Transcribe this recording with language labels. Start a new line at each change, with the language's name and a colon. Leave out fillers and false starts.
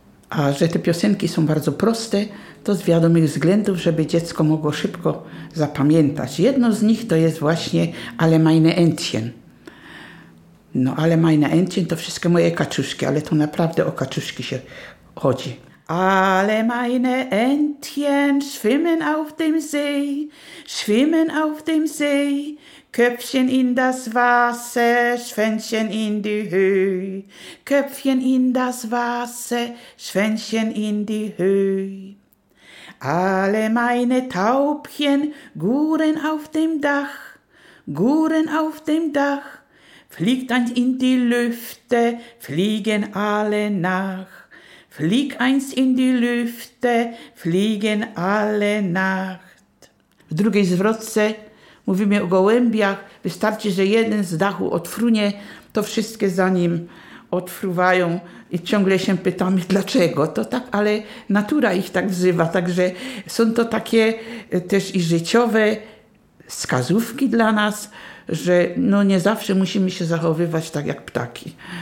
Polish: A że te piosenki są bardzo proste, to z wiadomych względów, żeby dziecko mogło szybko zapamiętać. Jedno z nich to jest właśnie Alle meine Entchen. No, Alle meine Entchen to wszystkie moje kaczuszki, ale to naprawdę o kaczuszki się chodzi.
German: Alle meine Entchen schwimmen auf dem See, schwimmen auf dem See. Köpfchen in das Wasser, Schwänzchen in die Höhe. Köpfchen in das Wasser, Schwänzchen in die Höhe. Alle meine Taubchen guren auf dem Dach, guren auf dem Dach. Fliegt eins in die Lüfte, fliegen alle nach. Flieg eins in die Lüfte, fliegen alle Nacht.
Polish: W drugiej zwrotce mówimy o gołębiach. Wystarczy, że jeden z dachu odfrunie, to wszystkie za nim odfruwają i ciągle się pytamy, dlaczego. To tak, ale natura ich tak wzywa. Także są to takie też i życiowe wskazówki dla nas, że no nie zawsze musimy się zachowywać tak jak ptaki.